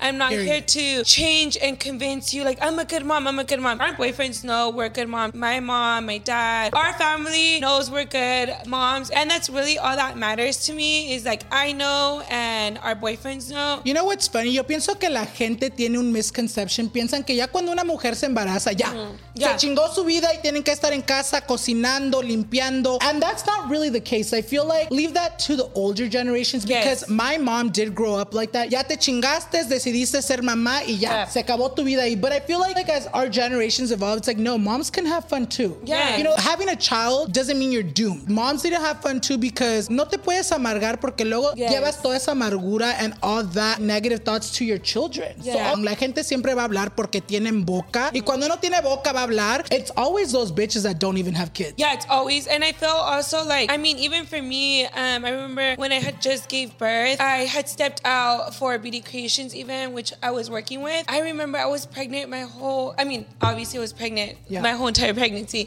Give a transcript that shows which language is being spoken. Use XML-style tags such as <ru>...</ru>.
<en>I'm not here to change and convince you, like, I'm a good mom. Our boyfriends know we're good moms. My mom, my dad, our family knows we're good moms. And that's really all that matters to me is like, I know and our boyfriends know. You know what's funny?</en> <es>Yo pienso que la gente tiene un misconception. Piensan que ya cuando una mujer se embaraza, ya. Mm-hmm. Yeah. Se chingó su vida y tienen que estar en casa cocinando, limpiando.</es> <en>And that's not really the case. I feel like leave that to the older generations because my mom did grow up like that.</en> <es>Ya te chingaste, decidiste ser mamá y ya. Se acabó tu vida ahí.</es> <en>But I feel like as our generations evolve, it's like, no, moms can have fun too. Yeah. You know, having a child doesn't mean you're doomed. Moms need to have fun too because</en> <es>no te puedes amargar porque luego llevas toda esa amargura</es> <en>and all that negative thoughts to your children. Yeah.</en> <es>So la gente siempre va a hablar porque tienen boca. Mm-hmm. Y cuando no tiene boca, va a hablar.</es> <en>It's always those bitches that don't even have kids. Yeah, it's always. And I feel also like, I mean, even for me, I remember when I had just gave birth, I had stepped out for Beauty Creations even, which I was working with. I remember I was pregnant my whole, I mean, obviously I was pregnant my whole entire pregnancy.</en>